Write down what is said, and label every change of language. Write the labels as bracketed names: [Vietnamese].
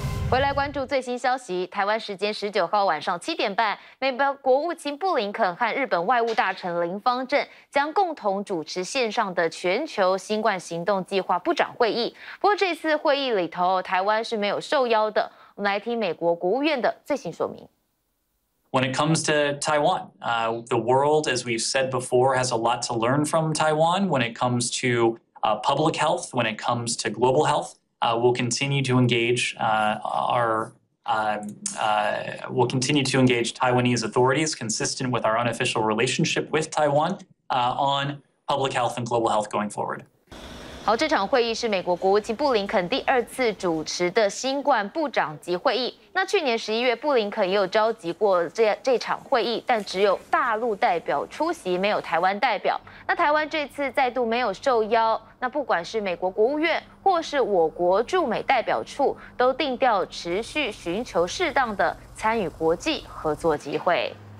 [Chinese] 回来关注最新消息，台湾时间19号晚上7点半，美国国务卿布林肯和日本外务大臣林方正将共同主持线上的全球新冠行动计划部长会议。不过这次会议里头，台湾是没有受邀的。我们来听美国国务院的最新说明。 [English] When it comes to Taiwan, the world, as we've said before, has a lot to learn from Taiwan. When it comes to public health, when it comes to global health. We'll continue to engage Taiwanese authorities consistent with our unofficial relationship with Taiwan on public health and global health going forward. [Chinese] 好，这场会议是美国国务卿布林肯第二次主持的新冠部长级会议。那去年11月，布林肯也有召集过这场会议，但只有大陆代表出席，没有台湾代表。那台湾这次再度没有受邀。那不管是美国国务院或是我国驻美代表处，都定调持续寻求适当的参与国际合作机会。